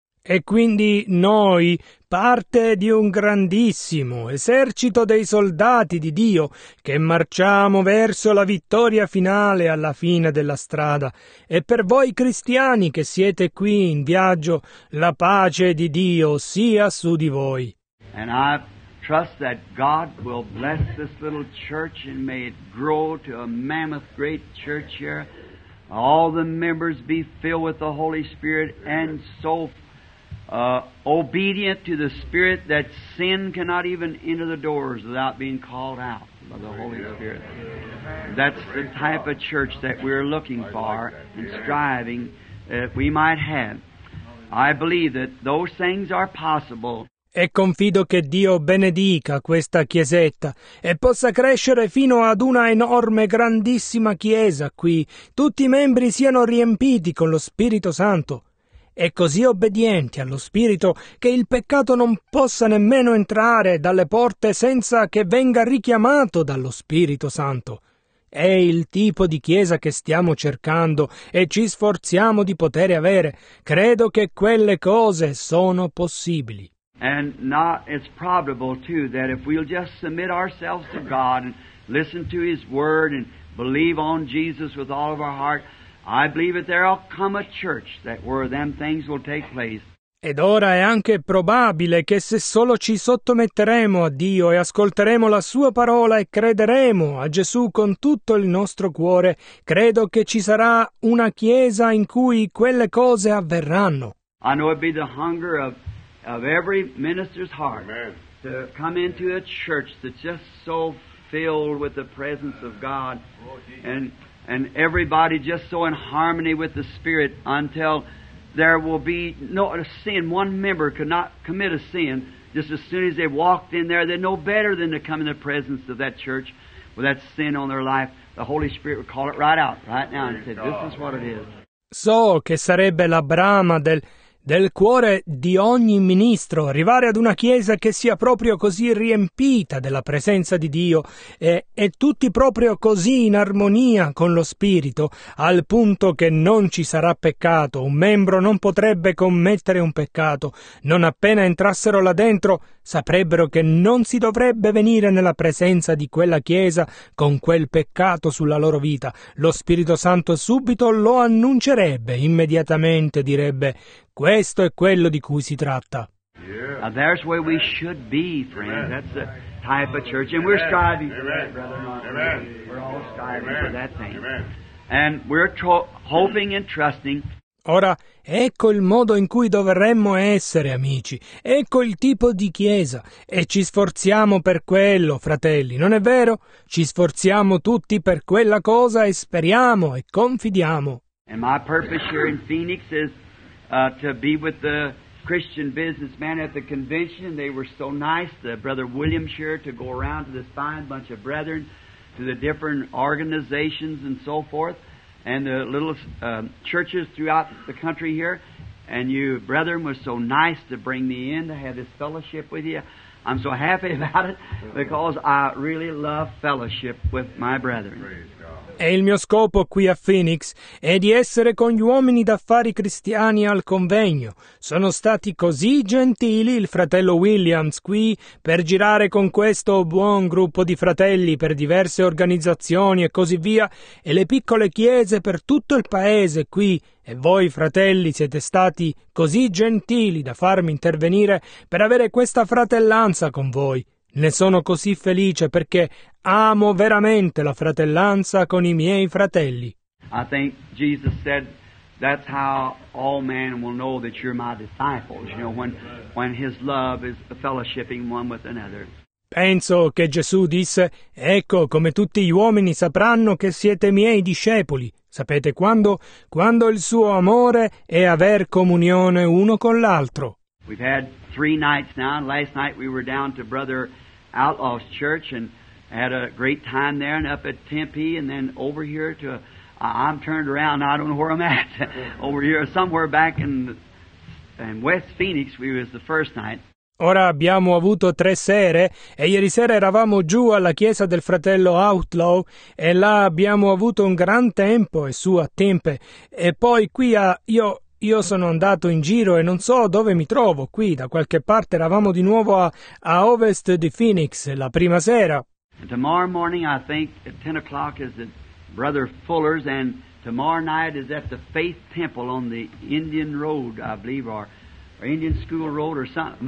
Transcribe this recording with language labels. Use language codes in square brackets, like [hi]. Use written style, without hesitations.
[it] E quindi noi, parte di un grandissimo esercito dei soldati di Dio, che marciamo verso la vittoria finale alla fine della strada. E per voi cristiani che siete qui in viaggio, la pace di Dio sia su di voi. [en] And I trust that God will bless this little church and may it grow to a mammoth great church here. All the members be filled with the Holy Spirit and so obedient to the Spirit that sin cannot even enter the doors without being called out by the Holy Spirit. That's the type of church that we're looking for and striving that we might have. I believe that those things are possible. [it] E confido che Dio benedica questa chiesetta e possa crescere fino ad una enorme, grandissima chiesa qui. Tutti i membri siano riempiti con lo Spirito Santo. E così obbedienti allo Spirito che il peccato non possa nemmeno entrare dalle porte senza che venga richiamato dallo Spirito Santo. È il tipo di chiesa che stiamo cercando e ci sforziamo di poter avere. Credo che quelle cose sono possibili. [en] And now it's probable too that if we'll just submit ourselves to God and listen to His Word and believe on Jesus with all of our heart, I believe that there'll come a church that where them things will take place. [it] Ed ora è anche probabile che se solo ci sottometteremo a Dio e ascolteremo la Sua parola e crederemo a Gesù con tutto il nostro cuore, credo che ci sarà una chiesa in cui quelle cose avverranno. [en] I know it'd be the hunger of every minister's heart. Amen. To come into a church that's just so filled with the presence of God. Oh, and everybody just so in harmony with the Spirit until there will be no sin. One member could not commit a sin just as soon as they walked in there. They're no better than to come in the presence of that church with that sin on their life. The Holy Spirit would call it right out, right now, and say, this is what it is. [it] So che sarebbe la brama del cuore di ogni ministro arrivare ad una chiesa che sia proprio così riempita della presenza di Dio e tutti proprio così in armonia con lo Spirito al punto che non ci sarà peccato, un membro non potrebbe commettere un peccato, non appena entrassero là dentro saprebbero che non si dovrebbe venire nella presenza di quella chiesa con quel peccato sulla loro vita, lo Spirito Santo subito lo annuncerebbe, immediatamente direbbe: questo è quello di cui si tratta. [en] Yeah. Now there's where we should be, friends. That's the type of church. And we're striving for that, brother. Amen. We're all striving Amen. For that thing. Amen. And we're hoping and trusting. [it] Ora, ecco il modo in cui dovremmo essere, amici. Ecco il tipo di chiesa. E ci sforziamo per quello, fratelli, non è vero? Ci sforziamo tutti per quella cosa e speriamo e confidiamo. [en] And my purpose here in Phoenix is to be with the Christian businessman at the convention. They were so nice, the brother William Shearer, to go around to this fine bunch of brethren, to the different organizations and so forth, and the little churches throughout the country here. And you, brethren, were so nice to bring me in to have this fellowship with you. I'm so happy about it because I really love fellowship with my brethren. [it] E il mio scopo qui a Phoenix è di essere con gli uomini d'affari cristiani al convegno. Sono stati così gentili il fratello Williams qui per girare con questo buon gruppo di fratelli per diverse organizzazioni e così via, e le piccole chiese per tutto il paese qui. E voi, fratelli, siete stati così gentili da farmi intervenire per avere questa fratellanza con voi. Ne sono così felice perché amo veramente la fratellanza con i miei fratelli. [en] I think Jesus said that's how all men will know that you're my disciples, you know, when his love is fellowshipping one with another. [it] Penso che Gesù disse: ecco come tutti gli uomini sapranno che siete miei discepoli. Sapete quando? Quando il suo amore è aver comunione uno con l'altro. [en] We've had three nights now. Last night we were down to Brother Outlaw's church and had a great time there, and up at Tempe, and then over here to I'm turned around, I don't know where I'm at. Over here somewhere back in West Phoenix we was the first night. [it] Ora abbiamo avuto tre sere e ieri sera eravamo giù alla chiesa del fratello Outlaw e là abbiamo avuto un gran tempo e su a Tempe, e poi qui a io sono andato in giro e non so dove mi trovo, qui da qualche parte eravamo di nuovo a ovest di Phoenix la prima sera. [en] And tomorrow morning I think at 10 o'clock is at Brother Fuller's, and tomorrow night is at the Faith Temple on the Indian Road, I believe, or Indian School Road or something.